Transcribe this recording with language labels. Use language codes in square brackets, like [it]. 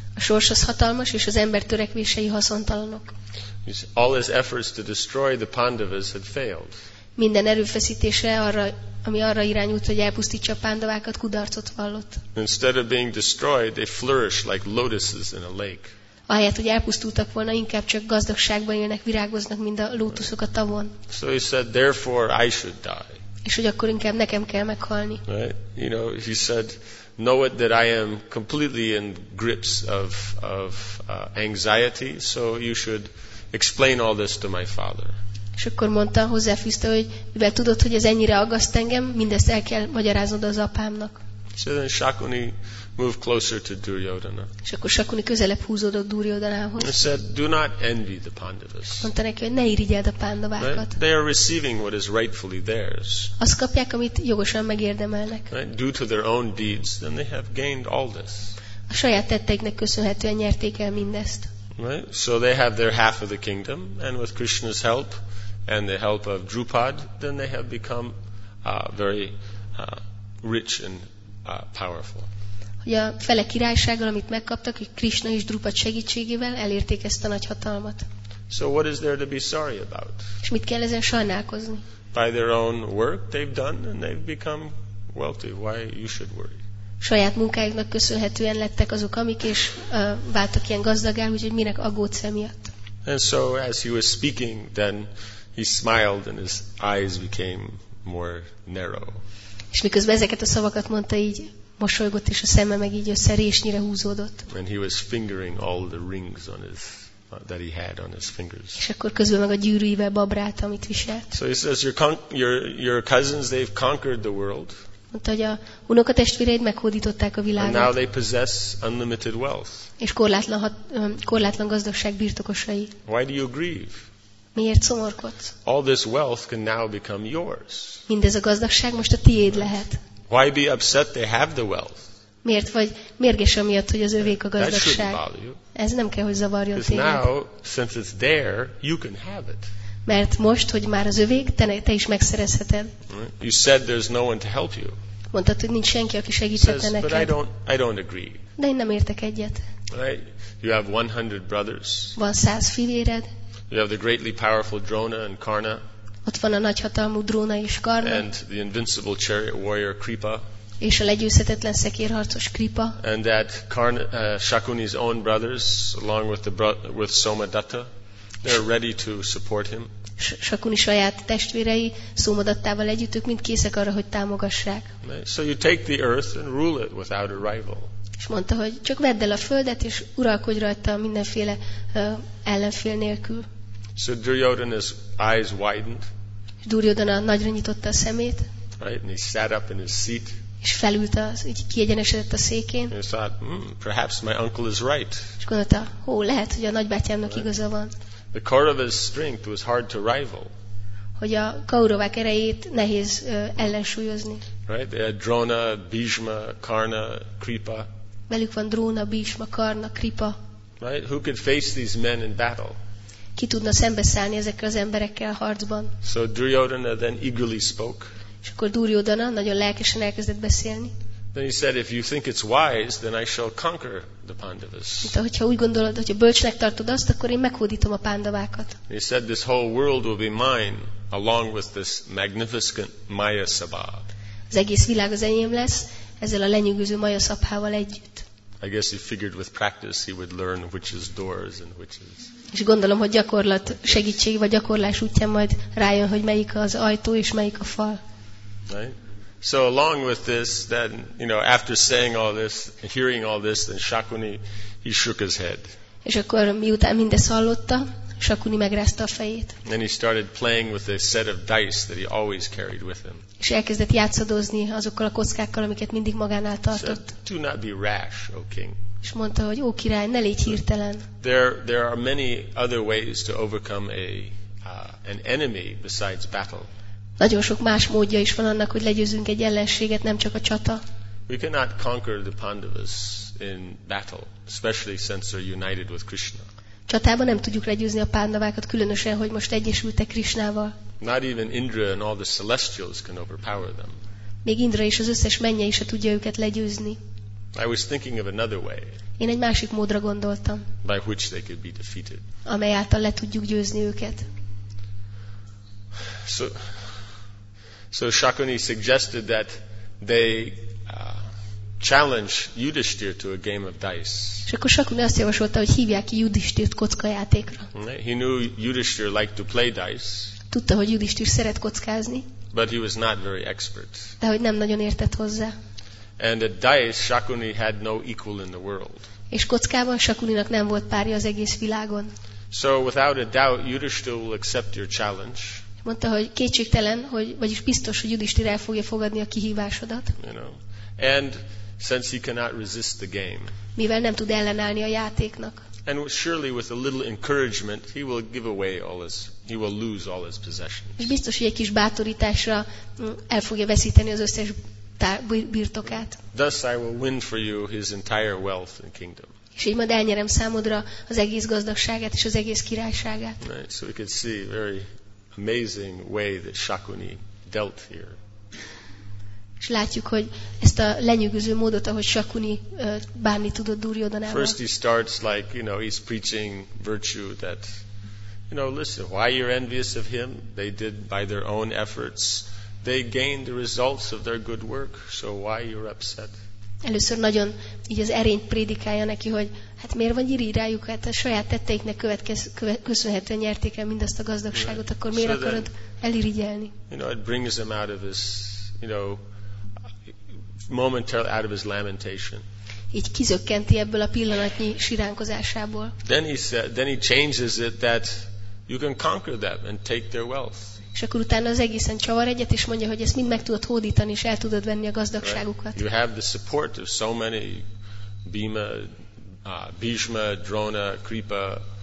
[hu] A sors az hatalmas és az ember törekvései haszontalanok. [en] All his efforts to destroy the Pandavas had failed. [hu] Minden erőfeszítése arra, ami arra irányult, hogy elpusztítsa a pándavákat, kudarcot vallott. [en] Instead of being destroyed, they flourish like lotuses in a lake. [hu] Ahelyett, hogy elpusztultak volna, inkább csak gazdagságban élnek, virágoznak, mint a lótuszok a tavon. [en] So he said, therefore I should die. [hu] És hogy akkor inkább nekem kell meghalni. [en] Right? You know, he said, know it that I am completely in grips of anxiety, so you should explain all this to my father. [hu] És akkor mondta, hozzáfűzte, hogy mivel tudod, hogy ez ennyire aggaszt engem, mindezt el kell magyaráznod az apámnak. [en] So then Shakuni moved closer to Duryodhana. [hu] És akkor Shakuni közelebb húzódott Duryodhanához. [en] And said, do not envy the Pandavas. [hu] Mondta neki, hogy ne irigyeld a pándavákat. [en] They are receiving what is rightfully theirs. [hu] Azt kapják, amit jogosan megérdemelnek. [en] Right? Due to their own deeds, then they have gained all this. [hu] A saját tetteiknek köszönhetően nyerték el mindezt. [en] Right? So they have their half of the kingdom, and with Krishna's help, and the help of Drupad, then they have become very rich and powerful. [hu] Hogy a fele királysággal, amit megkaptak, hogy Krishna és Drupad segítségével elérték ezt a nagy hatalmat. [en] So what is there to be sorry about? [hu] És mit kell ezen sajnálkozni? [en] By their own work they've done, and they've become wealthy. Why you should worry? [hu] Saját munkájuknak köszönhetően lettek azok, amik, és váltak ilyen gazdagán, úgyhogy minek aggódsz emiatt. [en] And so as he was speaking, then he smiled and his eyes became more narrow. [hu] És miközben ezeket a szavakat mondta, így mosolygott, és a szeme meg így összerésnyire húzódott. [en] And he was fingering all the rings on his, that he had on his fingers. [hu] És akkor közben meg a gyűrűivel babrált, amit viselt. [en] So he says, your cousins, they've conquered the world. [hu] Mondta, hogy a unokatestvéreid meghódították a világot. [en] And now they possess unlimited wealth. [hu] És korlátlan gazdagság birtokosai. [en] Why do you grieve? [hu] Miért szomorkodsz? [en] All this wealth can now become yours. [hu] Mindez a gazdagság most a tiéd lehet. [en] Why be upset they have the wealth? [hu] Miért vagy mérges amiatt, hogy az övék a gazdagság? [en] That shouldn't bother you. [hu] Ez nem kell, hogy zavarjon téged. [en] Now, since it's there, you can have it. [hu] Mert most, hogy már az övék, te is megszerezheted. [en] You said there's no one to help you. [hu] Mondtad, hogy nincs senki, aki segíthetne [en] says, [hu] neked. [en] But I don't agree. [hu] De én nem értek egyet. [en] Right? You have 100 brothers. [hu] Van 100 fivéred. [en] You have the greatly powerful Drona and Karna. [hu] Ott van a nagy hatalmú Drona és Karna. [en] And the invincible chariot warrior Kripa. [hu] És a legyőzhetetlen szekérharcos Kripa. [en] And that Shakuni's own brothers, along with with Somadatta, they're ready to support him. [hu] Shakuni saját testvérei Somadattával együtt, ők mind készek arra, hogy támogassák. [en] So you take the earth and rule it without a rival. [hu] És mondta, hogy csak vedd el a földet és uralkodj rajta mindenféle ellenfél nélkül. [en] So Duryodhana's eyes widened. [hu] Duryodhana nagyra nyitotta a szemét. [en] Right, and he sat up in his seat. [hu] És felült az, így kiegyenesedett a székén. [en] And he thought, perhaps my uncle is right. [hu] És gondolta, hó, lehet, hogy a nagybátyámnak [en] right. [hu] igaza van. [en] The Kauravas' strength was hard to rival. [hu] Hogy a Kauravák erejét nehéz ellensúlyozni. [en] Right, they had Drona, Bhishma, Karna, Kripa. [hu] Velük van Drona, Bhishma, Karna, Kripa. [en] Right, who could face these men in battle? [hu] Ki tudna szembeszállni ezekkel az emberekkel a harcban? [en] So Duryodhana then eagerly spoke. [hu] És akkor Duryodhana nagyon lelkesen elkezdett beszélni. [en] Then he said, if you think it's wise, then I shall conquer the Pandavas. [hu] Mint ahogyha úgy gondolod, hogyha bölcsnek tartod azt, akkor én meghódítom a Pandavákat. [en] He said, this whole world will be mine, along with this magnificent Maya Sabha. [hu] Az egész világ az enyém lesz, ezzel a lenyűgöző Maya Szabhával együtt. [en] I guess he figured with practice he would learn which is doors and which is. [hu] És gondolom, hogy gyakorlat segítség vagy gyakorlás útján majd rájön, hogy melyik az ajtó és melyik a fal. [en] Right? So along with this, then you know, after saying all this, hearing all this, then Shakuni, he shook his head. [hu] És akkor miután mindezt hallotta, Shakuni megrázta a fejét. [en] Then he started playing with a set of dice that he always carried with him. [hu] És elkezdett játszadozni azokkal a kockákkal, amiket mindig magánál tartott. [en] Said, do not be rash, O king. [hu] És mondta, hogy ó király, ne légy hirtelen. [en] There are many other ways to overcome an enemy besides battle. [hu] Nagyon sok más módja is van annak, hogy legyőzünk egy ellenséget, nem csak a csata. [en] We cannot conquer the Pandavas in battle, especially since they're united with Krishna. [hu] Csatában nem tudjuk legyőzni a Pandavákat, különösen, hogy most egyesültek Krishnával. [en] Not even Indra and all the celestials can overpower them. [hu] Még Indra és az összes mennye is se tudja őket legyőzni. [en] I was thinking of another way. [hu] Én egy másik módra gondoltam. [en] By which they could be defeated. [hu] Amely által le tudjuk győzni őket. [en] So Shakuni suggested that they challenge Yudhishthir to a game of dice. [hu] És akkor Shakuni azt javasolta, hogy hívják ki Yudhishthirt kockajátékra. [en] He knew Yudhishthir liked to play dice. [hu] Tudta, hogy Yudhishthir szeret kockázni. [en] But he was not very expert. [hu] De hogy nem nagyon értett hozzá. [en] And at dice, Shakuni had no equal in the world. [hu] És kockában Shakuninak nem volt párja az egész világon. [en] So without a doubt, Yudhishthir will accept your challenge. [hu] Mondta, hogy kétségtelen, hogy vagyis biztos, hogy Yudhishthir el fogja fogadni a kihívásodat. [en] You know. And since he cannot resist the game. [hu] Mivel nem tud ellenállni a játéknak. [en] And surely with a little encouragement he will give away all his he will lose all his possessions. [hu] És biztos, hogy egy kis bátorításra el fogja veszíteni az összes birtokát. [en] Thus I will win for you his entire wealth and kingdom. [hu] És így majd elnyerem számodra az egész gazdagságát és az egész királyságát. [en] Right, so we can see very amazing way that Shakuni dealt here. [hu] És látjuk, hogy ezt a lenyűgöző módot, ahogy Shakuni bánni tudott Duryodhanával. [en] First he starts like, you know, he's preaching virtue that, you know, listen, why you're envious of him? They did by their own efforts. They gained the results of their good work, so why you're upset? [hu] Először nagyon így az erényt prédikálja neki, hogy hát miért van irigy rájuk, hát a saját tetteiknek köszönhetően nyerték el mindazt a gazdagságot, akkor miért akarod elirigyelni? [en] You know, it brings him out of his, you know, momentarily out of his lamentation. [hu] Így kizökkenti ebből a pillanatnyi siránkozásából. [en] Then he changes it that you can conquer them and take their wealth. [hu] És akkor utána az egészen csavar egyet, és mondja, hogy ezt mind meg tudod hódítani, és el tudod venni a gazdagságukat. [en] Right. You have the support of so many Bhima, Bhishma, Drona, Kripa,